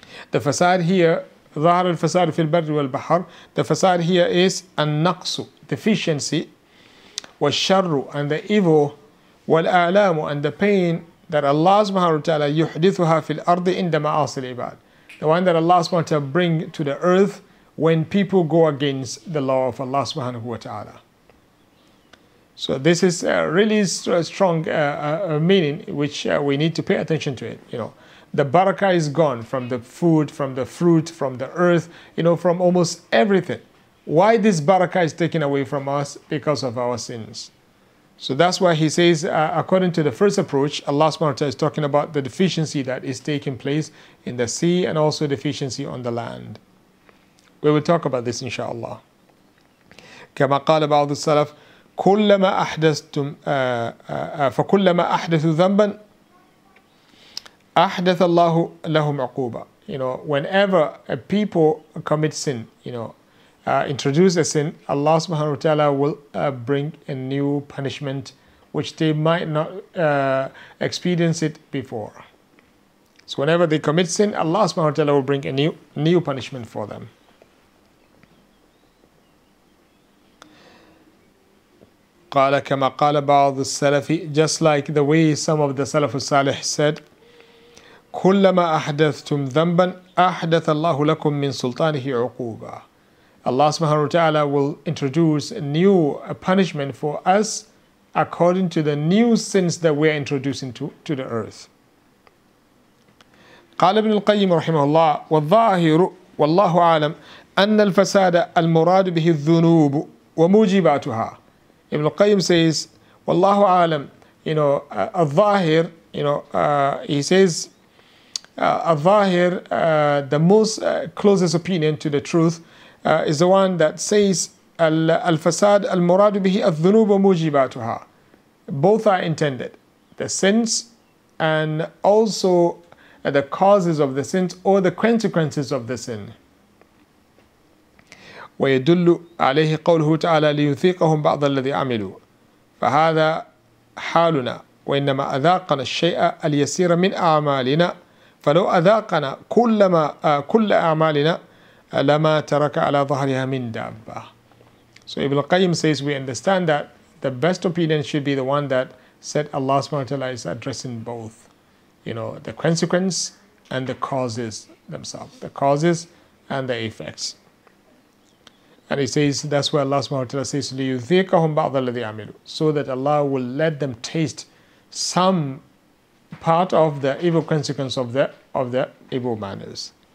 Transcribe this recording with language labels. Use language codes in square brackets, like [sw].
[en] The fasad here, [ar] ظهر الفساد في البر والبحر, [en] the fasad here is النقص, deficiency, والشر, and the evil, والآلام, and the pain that Allah subhanahu wa ta'ala [ar] يحدثها في الأرض عند معاصي العباد. [en] The one that Allah subhanahu wa ta'ala bring to the earth when people go against the law of Allah subhanahu wa ta'ala. So this is a really strong meaning which we need to pay attention to it, you know. The barakah is gone from the food, from the fruit, from the earth, you know, from almost everything. Why this barakah is taken away from us? Because of our sins. So that's why he says, according to the first approach, Allah subhanahu wa ta'ala is talking about the deficiency that is taking place in the sea and also deficiency on the land. We will talk about this, inshallah. [ar] كما قال بعض السلف, كلما أحدثتم فكلما أحدثوا ذنبا أحدث الله لهم عقوبة. [en] You know, whenever a people commit sin, you know, introduce a sin, Allah subhanahu wa ta'ala will bring a new punishment which they might not experience it before. So whenever they commit sin, Allah subhanahu wa ta'ala will bring a new punishment for them. [ar] قَالَ كَمَا قَالَ بَعْضُ السَّلَفِ, [en] just like the way some of the Salafus Salih said, [ar] كُلَّمَا أَحْدَثْتُمْ ذَنْبًا أَحْدَثَ اللَّهُ لَكُمْ مِنْ سُلْطَانِهِ عُقُوبًا. [en] Allah subhanahu wa ta'ala will introduce a new punishment for us according to the new sins that we are introducing to the earth. [ar] قال ابن القيم رحمه الله, والظاهر والله عالم أن الفساد المراد به الذنوب وموجباتها. [en] Ibn al-Qayyim says, Wallahu alam, you know, al-Zahir, you know, he says, al-Zahir, the most closest opinion to the truth, is the one that says, al-Fasad al-Murad bihi al-Dhunub wa Mujibatuha. Both are intended. The sins and also the causes of the sins or the consequences of the sin. [ar] ويدل عليه قوله تعالى ليذيقهم بعض الذي عملوا فهذا حالنا وإنما أذاقنا الشيء اليسير من أعمالنا فلو أذاقنا كل أعمالنا لما ترك على ظهرها من دابة. [en] So Ibn al-Qayyim says, we understand that the best opinion should be the one that said Allah subhanahu wa ta'ala is addressing both, you know, the consequence and the causes themselves, the causes and the effects. And he says, that's where Allah subhanahu wa ta'ala says, [ar] لِيُذِيقَهُمْ بَعْضَ الَّذِي عَمِلُوا, [en] so that Allah will let them taste some part of the evil consequence of the evil manners.